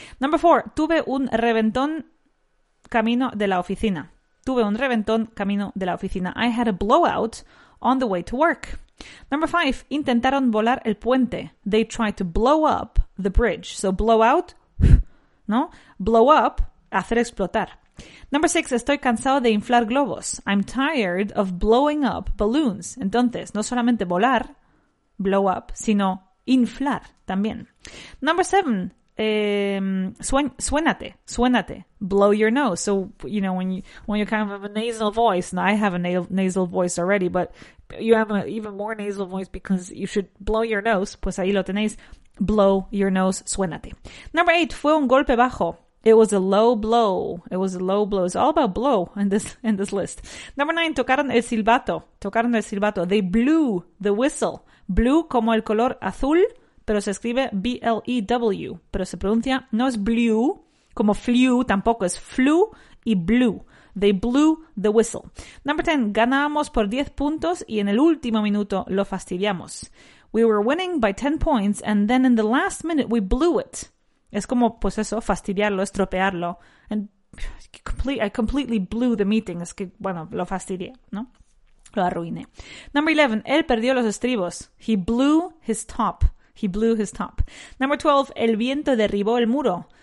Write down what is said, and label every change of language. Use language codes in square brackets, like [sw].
[es] Number 4, tuve un reventón camino de la oficina. Tuve un reventón camino de la oficina. [en] I had a blowout on the way to work. Number 5, [es] intentaron volar el puente. [en] They tried to blow up the bridge. So blow out, ¿no? Blow up, [es] hacer explotar. Number 6, estoy cansado de inflar globos. [en] I'm tired of blowing up balloons. [es] Entonces, no solamente volar, blow up, sino inflar también. [en] Number 7, [es] suénate, [en] blow your nose. So, you know, when you kind of have a nasal voice, and I have a nasal voice already, but you have an even more nasal voice because you should blow your nose. [es] Pues ahí lo tenéis. [en] Blow your nose, [es] suénate. [en] Number 8, [es] fue un golpe bajo. [en] It was a low blow. It was a low blow. It's all about blow in this list. [es] Number 9, tocaron el silbato. Tocaron el silbato. [en] They blew the whistle. [es] Blue como el color azul, pero se escribe B-L-E-W. Pero se pronuncia, no es blue, como flew, tampoco es flu y blue. [en] They blew the whistle. [es] Number 10, ganábamos por 10 puntos y en el último minuto lo fastidiamos. [en] We were winning by 10 points and then in the last minute we blew it. [es] Es como, pues eso, fastidiarlo, estropearlo. [en] And I completely blew the meeting. [es] Es que, bueno, lo fastidié, ¿no? Lo arruiné. [en] Number 11. [es] Él perdió los estribos. [en] He blew his top. He blew his top. Number 12. [es] El viento derribó el muro.